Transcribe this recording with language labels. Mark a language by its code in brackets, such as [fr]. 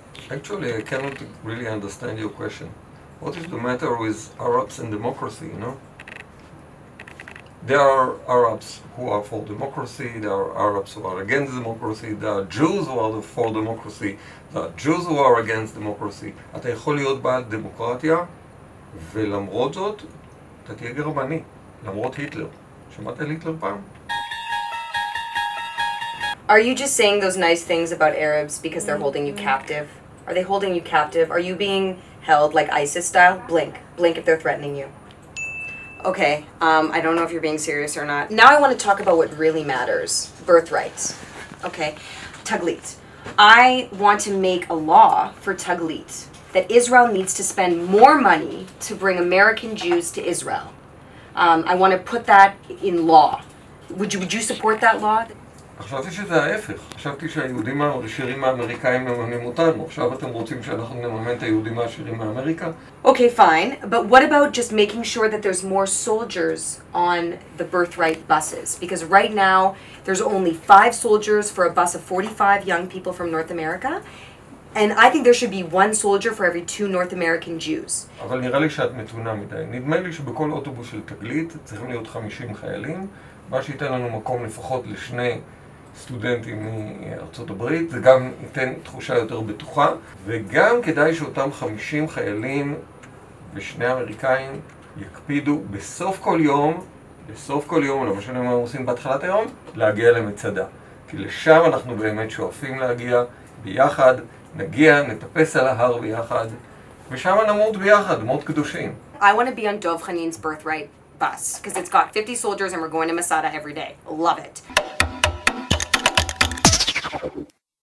[en] Actually, I cannot really understand your question. What is the matter with Arabs and democracy, you know? There are Arabs who are for democracy, there are Arabs who are against democracy, there are Jews who are for democracy, there are Jews who are against democracy. [he] אתה יכול להיות בעד דמוקרטיה, ולמרות זאת, אתה תהיה גרמני, למרות היטלר. שמעת על היטלר פעם? [en] Are you just saying those nice things about Arabs because they're holding you captive? Are they holding you captive? Are you being held like ISIS style? Blink if they're threatening you. Okay, I don't know if you're being serious or not. Now I want to talk about what really matters, birthrights. Okay, taglit. I want to make a law for taglit that Israel needs to spend more money to bring American Jews to Israel. I want to put that in law. Would you support that law? [he] חשבתי שזה ההפך. חשבתי שהיהודים העשירים האמריקאים מממנים אותנו. עכשיו אתם רוצים שאנחנו נממן את היהודים העשירים מאמריקה? [en] Okay, fine. But what about just making sure that there's more soldiers on the birthright buses? Because right now, there's only 5 soldiers for a bus of 45 young people from North America. And I think there should be 1 soldier for every 2 North American Jews. [he] אבל נראה לי שאת מתונה מדי. נדמה לי שבכל אוטובוס של תגלית צריכים להיות 50 חיילים. מה שייתן לנו מקום לפחות לשני סטודנטים מארצות הברית, זה גם ייתן תחושה יותר בטוחה, וגם כדאי שאותם 50 חיילים ושני אמריקאים יקפידו בסוף כל יום, לא משנה מה הם עושים בהתחלת היום, להגיע למצדה. כי לשם אנחנו באמת שואפים להגיע ביחד, נגיע, נטפס על ההר ביחד, ושם נמות ביחד, מות קדושים. [en] I want to be on Dov Khenin's birthright. Bus because it's got 50 soldiers and we're going to Masada every day. Love it.